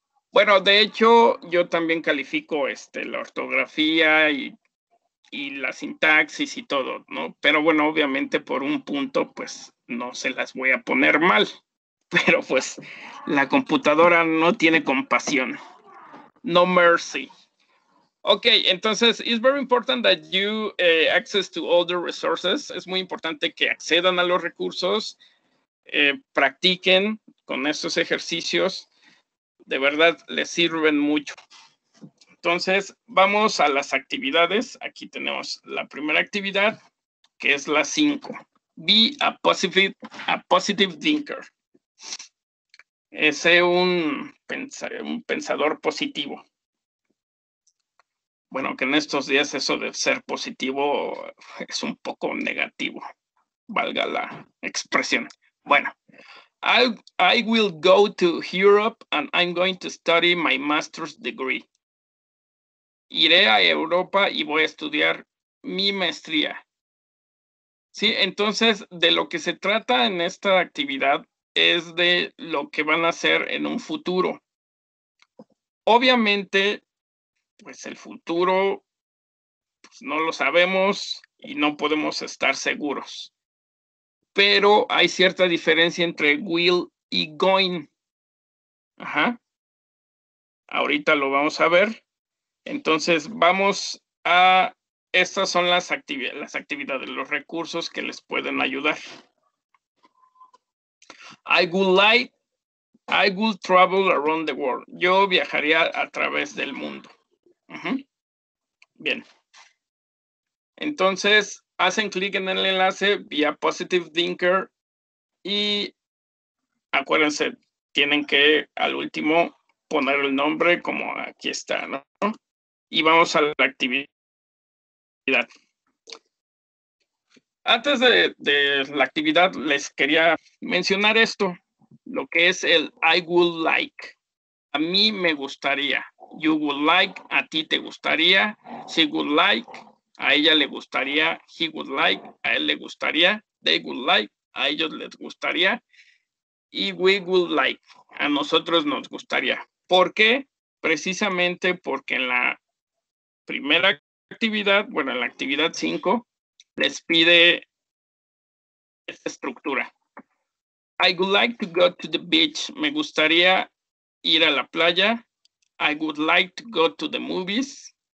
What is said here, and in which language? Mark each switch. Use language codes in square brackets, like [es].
[es] Bueno, de hecho, yo también califico la ortografía y la sintaxis y todo, ¿no? Pero bueno, obviamente por un punto, pues no se las voy a poner mal. Pero pues la computadora no tiene compasión. [en] No mercy. Okay, entonces, it's very important that you access to all the resources. [es] Es muy importante que accedan a los recursos. Practiquen con estos ejercicios, de verdad les sirven mucho. Entonces, vamos a las actividades. Aquí tenemos la primera actividad, que es la 5. [en] Be a positive thinker. [es] Sé un pensador positivo. Bueno, que en estos días eso de ser positivo es un poco negativo, valga la expresión. [en] Bueno, I will go to Europe and I'm going to study my master's degree. [es] Iré a Europa y voy a estudiar mi maestría. Sí, entonces, de lo que se trata en esta actividad es de lo que van a hacer en un futuro. Obviamente, pues el futuro, pues no lo sabemos y no podemos estar seguros. Pero hay cierta diferencia entre will y going. Ajá. Ahorita lo vamos a ver. Entonces, vamos a... Estas son las actividades, los recursos que les pueden ayudar. [en] I would travel around the world. [es] Yo viajaría a través del mundo. Bien. Entonces, hacen clic en el enlace vía Positive Thinker y acuérdense, tienen que al último poner el nombre como aquí está, ¿no? Y vamos a la actividad. Antes de la actividad, les quería mencionar esto, lo que es el [en] I would like. [es] A mí me gustaría. [en] You would like, [es] a ti te gustaría. [en] She would like, [es] a ella le gustaría. [en] He would like, [es] a él le gustaría. [en] They would like, [es] a ellos les gustaría. Y [en] we would like, [es] a nosotros nos gustaría. ¿Por qué? Precisamente porque en la primera actividad, bueno, en la actividad 5 les pide esta estructura. [en] I would like to go to the beach. [es] Me gustaría ir a la playa. [en] I would like to go to the movies.